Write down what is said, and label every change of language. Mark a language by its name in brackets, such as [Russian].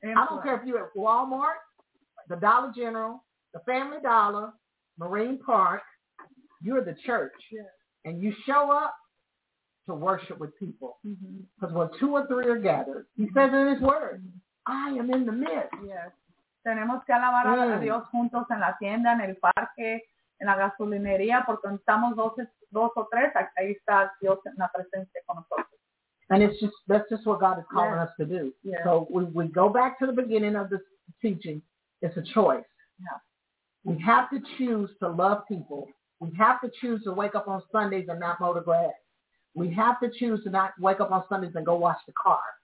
[English] I don't care if you're at Walmart, the Dollar General, the Family Dollar, Marine Park. You're the church, yes. and you show up to worship with people. Because when two or three are gathered, He says in His word, "I am in the midst." Yes. [Spanish] Tenemos que alabar a Dios juntos en la tienda, en el parque, en la gasolinería, porque estamos dos o tres, ahí está Dios en la presencia con nosotros. [English] And it's just that's just what God is calling yes. us to do. Yes. So we go back to the beginning of this teaching. It's a choice. Yeah. We have to choose to love people. We have to choose to wake up on Sundays and not mow the grass. We have to choose to not wake up on Sundays and go wash the car.